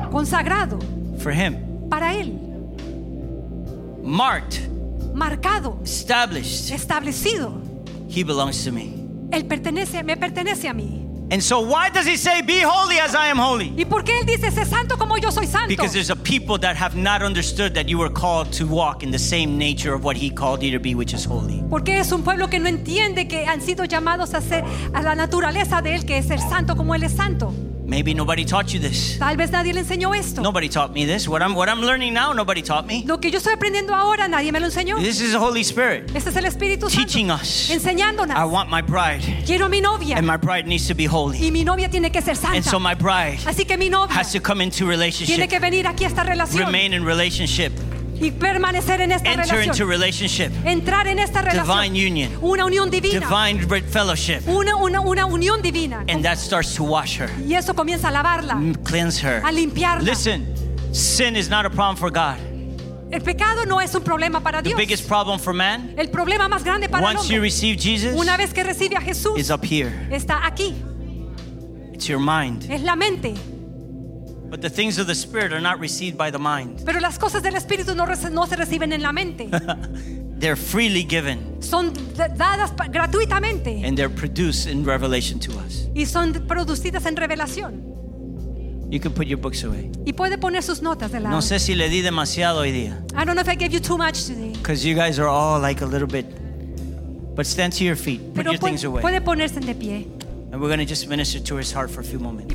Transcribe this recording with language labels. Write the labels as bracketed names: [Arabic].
[Spanish] Consagrado. [English] For him. [Spanish] Para él. [English] Marked. [Spanish] Marcado. [English] Established. [Spanish] Establecido. [English] He belongs to me. [Spanish] Él pertenece, me pertenece a mí. [English] And so why does he say be holy as I am holy? [Spanish] ¿Y por qué él dice sé santo como yo soy santo? [English] Because there's a people that have not understood that you were called to walk in the same nature of what he called you to be, which is holy. [Spanish] Porque es un pueblo que no entiende que han sido llamados a ser a la naturaleza de él, que es ser santo como él es santo. [English] Maybe nobody taught you this. [Spanish] Tal vez nadie le enseñó esto. [English] Nobody taught me this. What I'm learning now, nobody taught me. [Spanish] Lo que yo estoy aprendiendo ahora, nadie me lo enseñó. [English] This is the Holy Spirit. [Spanish] Este es el Espíritu Santo. [English] Teaching us. [Spanish] Enseñándonos. [English] I want my bride. [Spanish] Quiero mi novia. [English] And my bride needs to be holy. [Spanish] Y mi novia tiene que ser santa. [English] And so my bride. [Spanish] Así que mi novia. [English] Has to come into relationship. [Spanish] Tiene que venir aquí a esta relación. [English] Remain in relationship. [Spanish] Y permanecer en esta [English] Enter [Spanish] relación. [English] Into relationship. [Spanish] Entrar en esta relación. [English] Divine union. [Spanish] Una unión divina. [English] Divine fellowship. [Spanish] Una unión divina. [English] And that starts to wash her. [Spanish] Y eso comienza a lavarla. [English] Cleanse her. [Spanish] A limpiarla. [English] Listen, sin is not a problem for God. [Spanish] El pecado no es un problema para Dios. [English] The biggest problem for man. [Spanish] El problema más grande para [English] once [Spanish] el hombre. [English] Once you receive Jesus. [Spanish] Una vez que recibe a Jesús. [English] Is up here. [Spanish] Está aquí. [English] It's your mind. [Spanish] Es la mente. [English] But the things of the spirit are not received by the mind. [Spanish] Pero las cosas del espíritu no se reciben en la mente. [English] They're freely given. [Spanish] Son dadas gratuitamente. [English] And they're produced in revelation to us. [Spanish] Y son producidas en revelación. [English] You can put your books away. [Spanish] Y puede poner sus notas de lado. No sé si le di demasiado hoy día. [English] I don't know if I gave you too much today. Because you guys are all like a little bit. But stand to your feet. Put your things away. [Spanish] Puede ponerse de pie. [English] And we're going to just minister to his heart for a few moments.